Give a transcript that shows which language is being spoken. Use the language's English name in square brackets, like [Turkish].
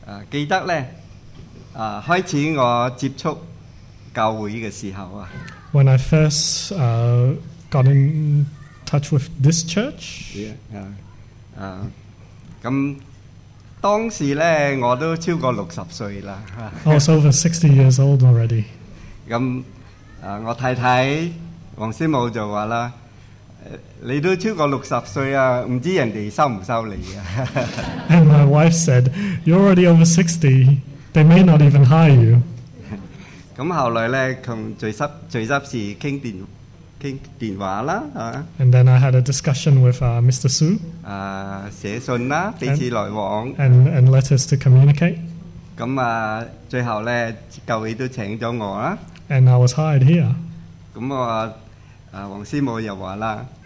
[Cantonese] 記得咧，開始我接觸教會嘅時候啊。 [English] When I first got in touch with this church， [Cantonese] 咁當時咧我都超過六十歲啦。 [English] I was over 60 years old already。 [Cantonese] 咁我太太黃師母就話啦：，你都超過六十歲啊，唔知人哋收唔收你啊。 [English] And my wife said, "You're already over 60. They may not even hire you." [Cantonese] 咁後來咧，同聚執事傾電話啦。 [English] And then I had a discussion with Mr. Su. [Cantonese] 寫信啦，彼此來往。 [English] And letters to communicate. [Cantonese] 咁最後咧，教會都請咗我啦。 [English] And I was hired here. [Cantonese] 咁我黃師母又話啦。